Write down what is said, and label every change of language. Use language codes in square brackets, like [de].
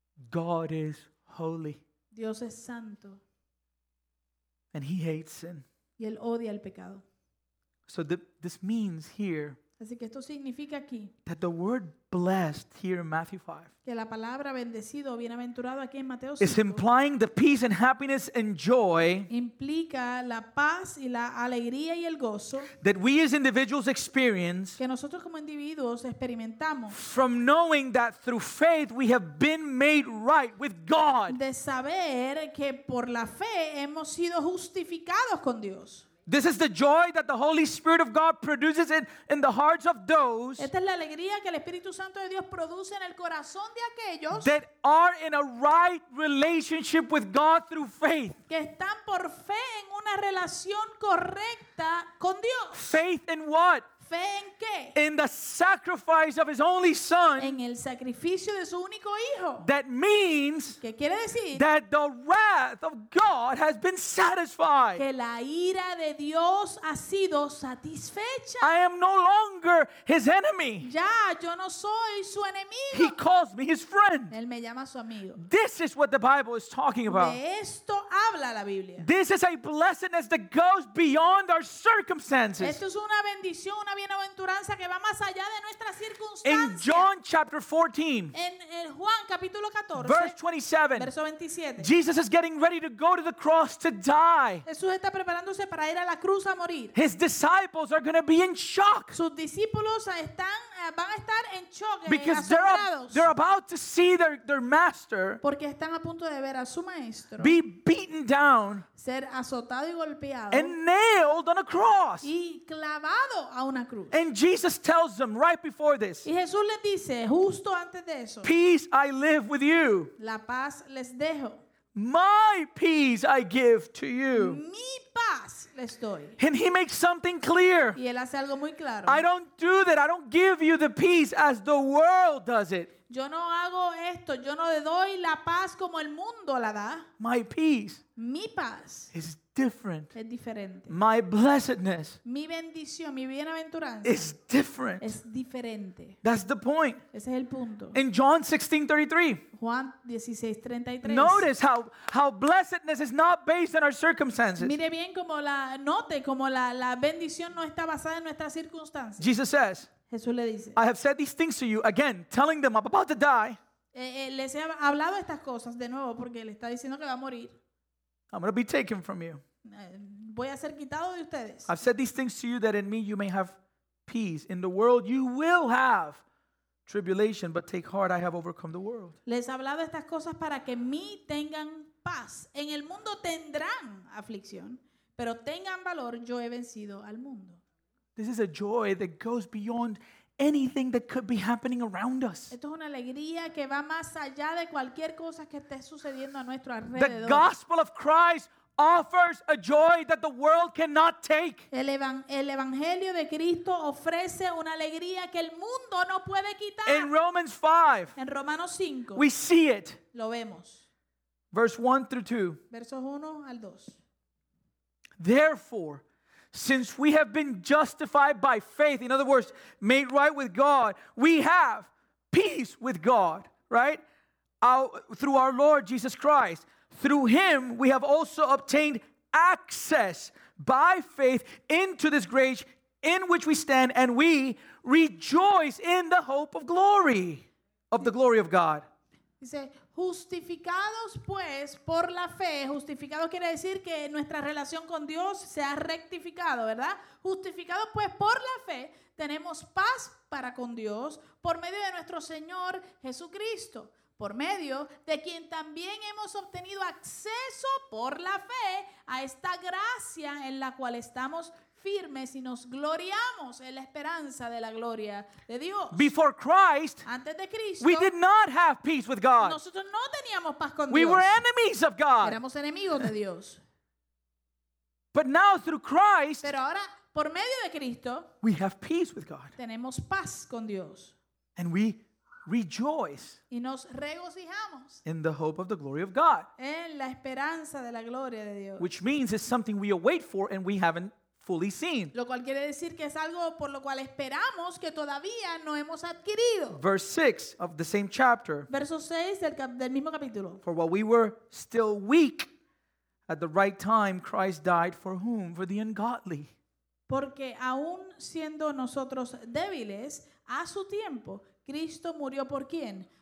[en] God is holy. [es] Dios es santo. [en] And he hates sin. [es] Y él odia el pecado. [en] So this means here. [es] Así que esto significa aquí [en] that the word blessed here in Matthew 5, [es] que la palabra bendecido, bienaventurado aquí en Mateo [en] 5, is implying the peace and happiness and joy [es] implica la paz y la alegría y el gozo [en] that we as individuals experience [es] que nosotros como individuos experimentamos [en] from knowing that through faith we have been made right with God. [es] De saber que por la fe hemos sido justificados con Dios. [en] This is the joy that the Holy Spirit of God produces in the hearts of those. [es] Esta es la alegría que el Espíritu Santo de Dios produce en el corazón de aquellos [en] that are in a right relationship with God through faith. [es] Que están por fe en una relación correcta con Dios. [en] Faith in what? [es] Fe en qué? [en] In the sacrifice of His only Son. [es] En el sacrificio de su único hijo. [en] That means [es] ¿qué quiere decir? [en] That the wrath of God has been satisfied. [es] Que la ira de Dios ha sido satisfecha. [en] I am no longer His enemy. [es] Ya, yo no soy su enemigo. [en] He calls me His friend. [es] Él me llama su amigo. [en] This is what the Bible is talking about. [es] De esto habla la Biblia. [en] This is a blessedness that goes beyond our circumstances. [es] Esto es una bendición. Una bienaventuranza que va más allá de nuestras circunstancias. [en] In John chapter 14, [es] en el Juan capítulo 14, [en] verse 27, [es] verso 27, [en] Jesus is getting ready to go to the cross to die. [es] Jesús está preparándose para ir a la cruz a morir. [en] His disciples are going to be in shock. [es] Sus discípulos están, van a estar en shock, [en] because [es] asombrados. [en] They're about to see their master, [es] porque están a punto de ver a su maestro, [en] be beaten down, [es] ser azotado y golpeado, [en] and nailed on a cross, [es] y clavado a una cruz. [en] And Jesus tells them right before this, [es] y Jesús les dice justo antes de eso, [en] peace I leave with you, [es] la paz les dejo, [en] my peace I give to you, [es] mi paz les doy. [en] And he makes something clear, [es] y él hace algo muy claro, [en] I don't do that, I don't give you the peace as the world does it. [es] Yo no hago esto, yo no le doy la paz como el mundo la da. [en] My peace, [es] mi paz, [en] is different. [es] Es diferente. [en] My blessedness, [es] mi bendición, mi bienaventuranza, [en] is different. [es] Es diferente. [en] That's the point. [es] Ese es el punto. [en] In John 16:33, [es] Juan 16:33, [en] notice how blessedness is not based on our circumstances. [es] Mire bien como la note como la bendición no está basada en nuestras circunstancias. [en] Jesus says, [es] Jesús le dice, [en] I have said these things to you, again, telling them I'm about to die. [es] Les he hablado estas cosas de nuevo porque le está diciendo que va a morir. [en] I'm going to be taken from you. [es] Voy a ser quitado de ustedes. [en] I've said these things to you that in me you may have peace. In the world you will have tribulation, but take heart, I have overcome the world. [es] Les he hablado estas cosas para que en mí tengan paz. En el mundo tendrán aflicción, pero tengan valor, yo he vencido al mundo. [en] This is a joy that goes beyond anything that could be happening around us. [es] Esto es una alegría que va más allá de cualquier cosa que esté sucediendo a nuestro alrededor. [en] The gospel of Christ offers a joy that the world cannot take. [es] El evangelio de Cristo ofrece una alegría que el mundo no puede quitar. [en] In Romans 5. [es] En Romanos 5. [en] We see it. [es] Lo vemos. [en] Verse 1 through 2. [es] Versos 1 al 2. [en] Therefore, since we have been justified by faith, in other words, made right with God, we have peace with God, right? Through our Lord Jesus Christ. Through Him, we have also obtained access by faith into this grace in which we stand, and we rejoice in the hope of glory, of the glory of God. [es] Dice, justificados pues por la fe, justificado quiere decir que nuestra relación con Dios se ha rectificado, ¿verdad? Justificados pues por la fe, tenemos paz para con Dios por medio de nuestro Señor Jesucristo, por medio de quien también hemos obtenido acceso por la fe a esta gracia en la cual estamos firmes y nos gloriamos en la esperanza de la gloria de Dios. [en] Before Christ, [es] antes de Cristo, [en] we did not have peace with God. [es] Nosotros no teníamos paz con [en] we [es] Dios. [en] We were enemies of God. [es] Éramos enemigos de Dios. [en] But now through Christ, [es] pero ahora por medio de Cristo, [en] we have peace with God. [es] Tenemos paz con Dios. [en] And we rejoice. [es] Y nos regocijamos. [en] In the hope of the glory of God. [es] En la esperanza de la gloria de Dios. [en] Which means it's something we await for and we haven't fully seen. [es] Lo cual quiere decir que es algo por lo cual esperamos que todavía no hemos adquirido. [en] Verse 6 of the same chapter. [es] Verso 6 del mismo capítulo. [en] For while we were still weak, at the right time Christ died for whom? For the ungodly. [es] Porque aún siendo nosotros débiles, a su tiempo, Cristo murió ¿por quién?